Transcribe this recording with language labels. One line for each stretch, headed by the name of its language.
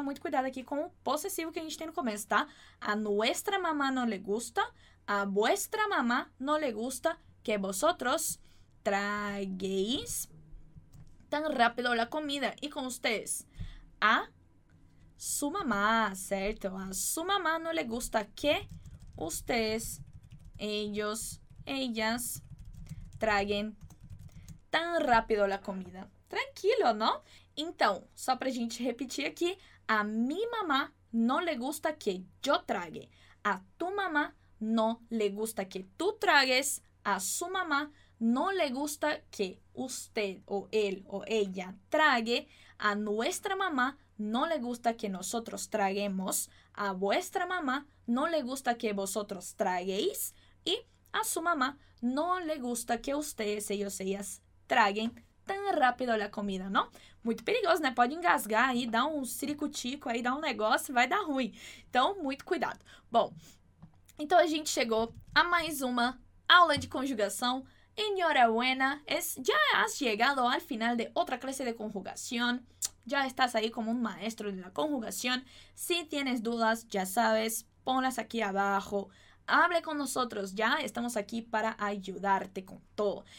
Portuguese: Muito cuidado aqui com o possessivo que a gente tem no começo, tá?
Spanish: A nuestra mamá no le gusta. A vuestra mamá no le gusta que vosotros traguéis tan rápido la comida.
Portuguese: E com ustedes,
Spanish: a su mamá,
Portuguese: certo?
Spanish: A su mamá no le gusta que ustedes, ellos, ellas, traguen tan rápido la comida. Tranquilo, ¿no?
Portuguese: Então, só pra gente repetir
Spanish: aquí, a mi mamá no le gusta que yo trague. A tu mamá no le gusta que tú tragues. A su mamá no le gusta que usted o él o ella trague. A nuestra mamá no le gusta que nosotros traguemos. A vuestra mamá no le gusta que vosotros traguéis. Y a su mamá no le gusta que ustedes, ellos, ellas traguen tan rápido la comida, ¿no?
Portuguese: Muito perigoso, né? Pode engasgar aí, dar um ciricutico aí, dar um negócio, vai dar ruim. Então, muito cuidado. Bom, então a gente chegou a mais uma aula de conjugação.
Spanish: Enhorabuena, ya has llegado al final de otra clase de conjugación. Ya estás ahí como un maestro de la conjugación. Si tienes dudas, ya sabes, ponlas aquí abajo. Hable con nosotros, ya estamos aquí para ayudarte con todo.